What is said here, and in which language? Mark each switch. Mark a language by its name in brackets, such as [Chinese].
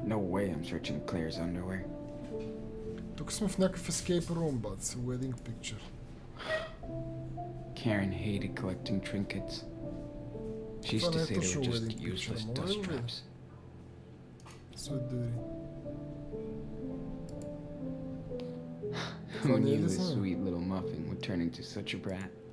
[English] No way I'm searching Claire's underwear. [Bulgarian] Тук сме в някакъв escape room, бац. [English] Wedding picture. Karen hated collecting trinkets. She used to say they were just useless dust traps. So dirty. Who knew this sweet little muffin would turn into such a brat?